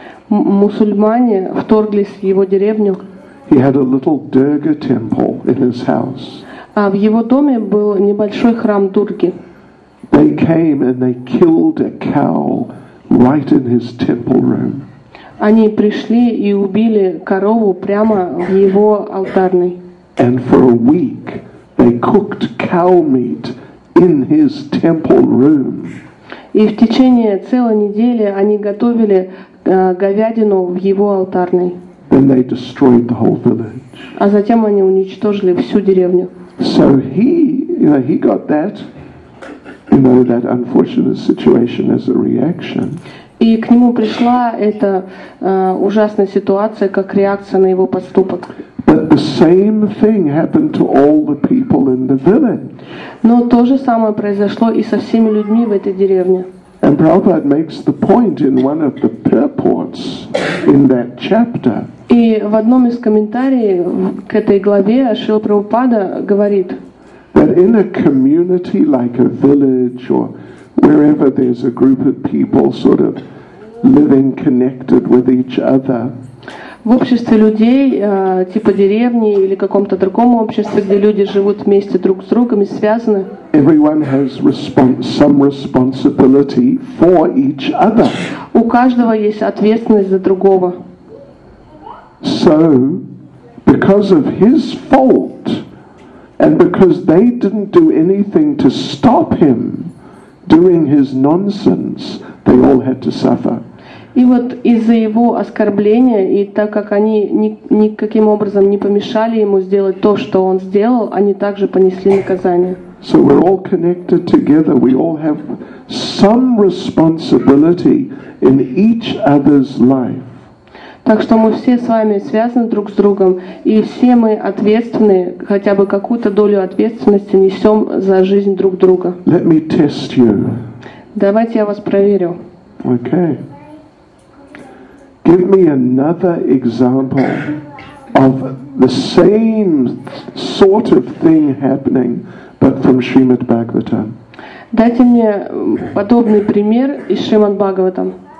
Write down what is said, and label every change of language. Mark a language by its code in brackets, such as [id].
[ru] Мусульмане вторглись в его деревню. [en] He had a little Durga temple in his house. [ru] А в его доме был небольшой храм Дурги. [en] They came and they killed a cow right in his temple room. [ru] Они пришли и убили корову прямо в его алтарной. [en] And for a week they cooked cow meat in his temple room. [ru] И в течение целой недели они готовили говядину в его алтарной. [en] Then they destroyed the whole village. [ru] А затем они уничтожили всю деревню. [en] So he got that, that unfortunate situation as a reaction. [ru] И к нему пришла эта ужасная ситуация как реакция на его поступок. [en] But the same thing happened to all the people in the village. [ru] Но то же самое произошло и со всеми людьми в этой деревне. [en] And Prabhupada makes the point in one of the purports in that chapter. [ru] И в одном из комментариев к этой главе Шрила Прабхупада говорит, [en] that in a community like a village or wherever there's a group of people sort of living connected with each other. [ru] В обществе людей, типа деревни или каком-то другом обществе, где люди живут вместе друг с другом и связаны. [en] Everyone has some responsibility for each other. [ru] У каждого есть ответственность за другого. [en] So, because of his fault, and because they didn't do anything to stop him doing his nonsense, they all had to suffer. [ru] И вот из-за его оскорбления, и так как они никаким образом не помешали ему сделать то, что он сделал, они также понесли наказание. [en] So we're all connected together. We all have some responsibility in each other's life. [ru] Так что мы все с вами связаны друг с другом, и все мы ответственны, хотя бы какую-то долю ответственности несем за жизнь друг друга. [en] Let me test you. [ru] Давайте я вас проверю. [en] Okay. Give me another example of the same sort of thing happening, but from Srimad Bhagavatam. [ru] Дайте мне подобный пример из Шримад Бхагаватам.